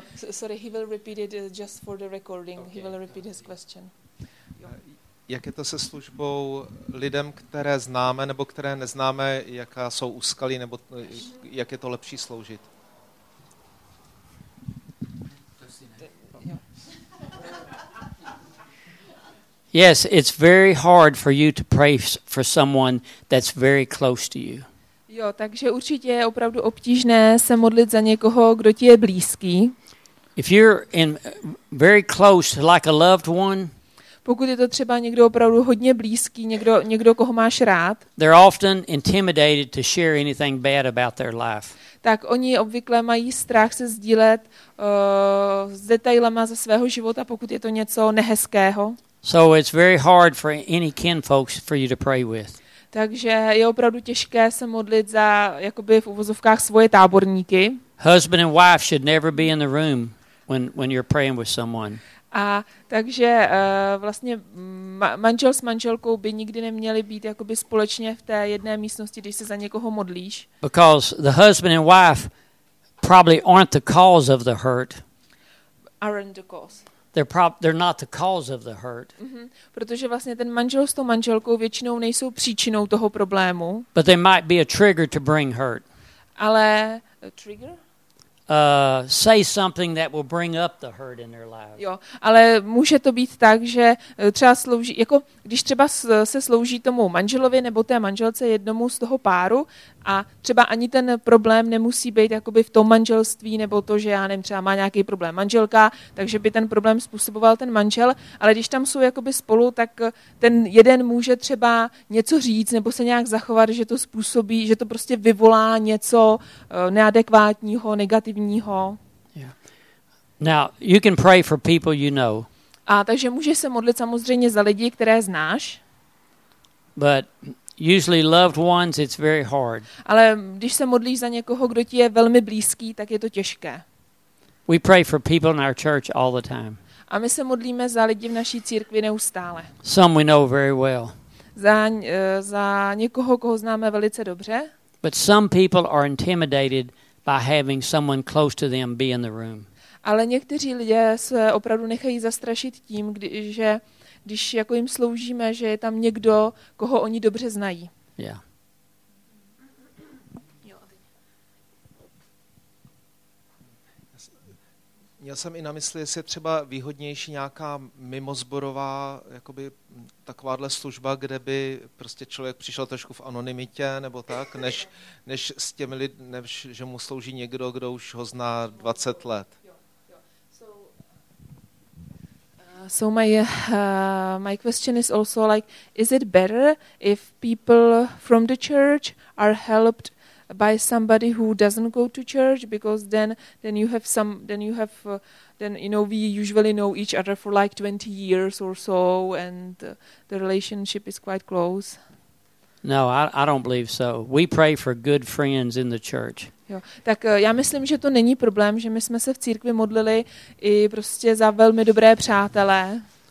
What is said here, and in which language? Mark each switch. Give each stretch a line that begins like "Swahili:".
English: Sorry, he will repeat it just for the recording. Okay. He will repeat his question.
Czech: Jak je to se službou lidem, které známe nebo které neznáme, jaká jsou úskalí nebo jak je to lepší sloužit?
English: Yes, it's very hard for you to pray for someone that's very close to you.
Czech: Jo, takže určitě je opravdu obtížné se modlit za někoho, kdo ti je blízký.
English: If you're in very close, like a loved one,
Czech: pokud je to třeba někdo opravdu hodně blízký, někdo koho máš rád,
English: they're often intimidated to share anything bad about their life.
Czech: Tak oni obvykle mají strach se sdílet s detailama ze svého života, pokud je to něco nehezkého.
English: So it's very hard for any kin folks for you to pray with.
Czech: Takže je opravdu těžké se modlit za jakoby v uvozovkách svoje táborníky.
English: Husband and wife should never be in the room when you're praying with someone.
Czech: A takže vlastně manžel s manželkou by nikdy neměli být jakoby společně v té jedné místnosti, když se za někoho modlíš.
English: Because the husband and wife probably aren't the cause of the hurt. Aren't the cause. They're not the cause of the hurt. Mm-hmm.
Czech: Protože vlastně ten manžel s tou manželkou většinou nejsou příčinou toho problému.
English: But they might be a trigger to bring hurt.
Czech: Ale a trigger?
English: Say something that will bring up the hurt in their lives.
Czech: Jo, ale může to být tak, že třeba slouží, jako když třeba se slouží tomu manželovi nebo té manželce jednomu z toho páru a třeba ani ten problém nemusí být jakoby v tom manželství nebo to, že já nevím, třeba má nějaký problém manželka, takže by ten problém způsoboval ten manžel, ale když tam jsou jakoby spolu, tak ten jeden může třeba něco říct nebo se nějak zachovat, že to způsobí, že to prostě vyvolá něco neadekvátního, negativního.
English: Yeah. Now, you can pray for people you know.
Czech: A takže můžeš se modlit samozřejmě za lidi, které znáš.
English: But usually loved ones, it's very hard.
Czech: Ale když se modlíš za někoho, kdo ti je velmi blízký, tak je to těžké.
English: We pray for people in our church all the time.
Czech: A my se modlíme za lidi v naší církvi neustále.
English: Some we know very well.
Czech: Za někoho, koho známe velice dobře.
English: But some people are intimidated by having someone close to them be in the room.
Czech: Ale někteří lidé se opravdu nechají zastrašit tím, když jako jim sloužíme, že je tam někdo, koho oni dobře znají.
English: Yeah.
Czech: Měl jsem i na mysli, jestli je třeba výhodnější nějaká mimozborová jakoby takováhle služba, kde by prostě člověk přišel trošku v anonymitě nebo tak, než s těmi lidmi, než že mu slouží někdo, kdo už ho zná 20 let.
English: So my question is also like, is it better if people from the church are helped by somebody who doesn't go to church, because then you know, we usually know each other for like 20 years or so, and the relationship is quite close. No, I don't believe so. We pray for good friends in the church.
Czech: Jo, tak já myslím, že to není problém, že my jsme se v církvi modlili i prostě za velmi dobré přátelé.